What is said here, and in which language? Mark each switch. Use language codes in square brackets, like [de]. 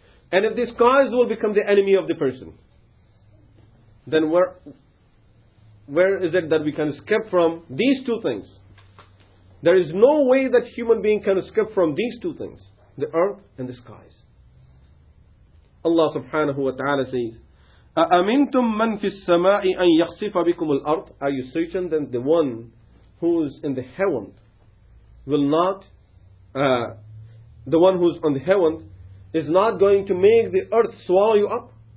[en] And if the skies will become the enemy of the person, then where is it that we can escape from these two things? There is no way that human being can escape from these two things, the earth and the skies. Allah subhanahu wa ta'ala says, [ar] أَأَمِنْتُمْ مَنْ فِي السَّمَاءِ أَنْ يَخْصِفَ بِكُمُ الْأَرْضِ. [en] Are you certain that the one who is in the heaven will not, the one who is on the heaven is not going to make the earth swallow you up?